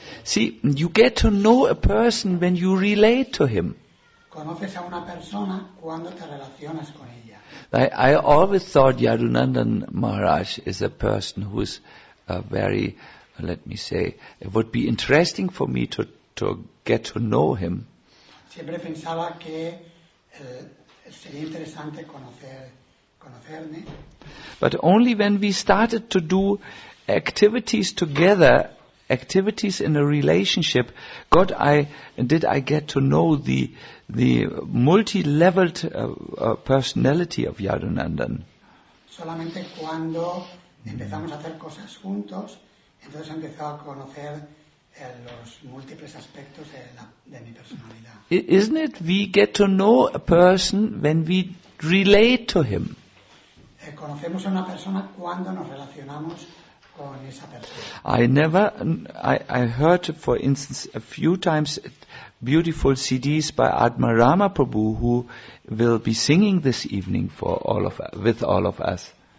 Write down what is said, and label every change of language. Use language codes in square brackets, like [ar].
[en] See, you get to know a person when you relate to him. [es] Conoces a una persona cuando te relacionas con ella. [en] I always thought Yadunandan Maharaj is a person who is very, let me say, it would be interesting for me to get to know him. [es] Siempre pensaba que sería interesante conocerme. [en] But only when we started to do activities together, activities in a relationship, got I did I get to know the multi-leveled personality of Yadunandan. [es] Solamente cuando empezamos a hacer cosas juntos, entonces empezó a conocer los múltiples aspectos de mi personalidad. [en] Isn't it we get to know a person when we relate to him? [es] Conocemos a una persona cuando nos relacionamos con esa persona. [en] I heard, for instance, a few times beautiful CDs by Atma Rama Prabhu, who will be singing this evening for all of with all of us.